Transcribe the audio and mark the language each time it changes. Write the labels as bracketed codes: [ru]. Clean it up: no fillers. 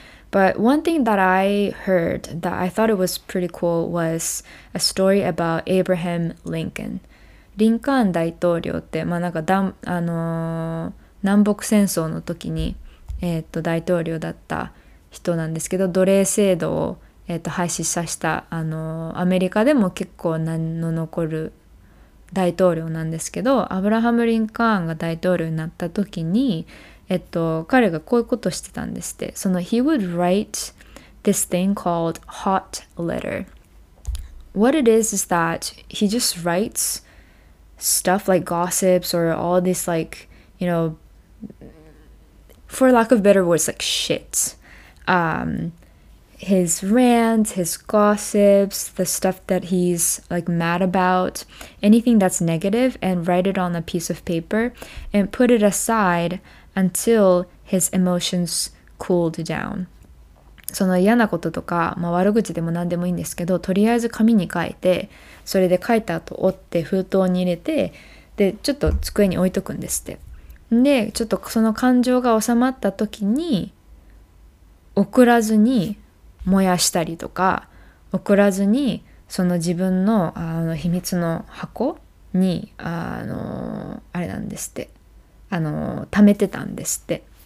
[en] But one thing that I heard that I thought it was pretty cool was a story about Abraham Lincoln. [ja] リンカーン大統領ってまあなんか南北戦争の時に大統領だった人なんですけど、奴隷制度を、廃止させたアメリカでも結構名の残る大統領なんですけど、アブラハム・リンカーンが大統領になった時に、彼がこういうことしてたんですって。 [en] その He would write this thing called hot letter. What it is that he just writes stuff like gossips or all this, like, you know,for lack of better words, like shit. His rants, his gossips, the stuff that he's like mad about, anything that's negative, and write it on a piece of paper and put it aside until his emotions cooled down. [ja] その嫌なこととか、まあ、悪口でも何でもいいんですけど、とりあえず紙に書いて、それで書いた後折って封筒に入れて、で、ちょっと机に置いとくんですって。で、ちょっとその感情が収まった時に送らずに燃やしたりとか送らずにその自分の、秘密の箱にあれなんですって貯めてたんですって。